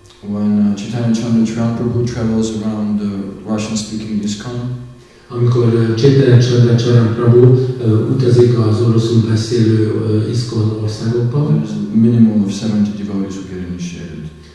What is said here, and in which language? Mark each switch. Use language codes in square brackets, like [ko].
[en] When Chaitanya Chandrachuran Prabhu travels around the Russian-speaking ISKCON, [hu] amikor Chaitanya Chandrachuran Prabhu utazik az oroszul beszélő ISKCON országokba, [en] there's a minimum of 70 devotees who get initiated.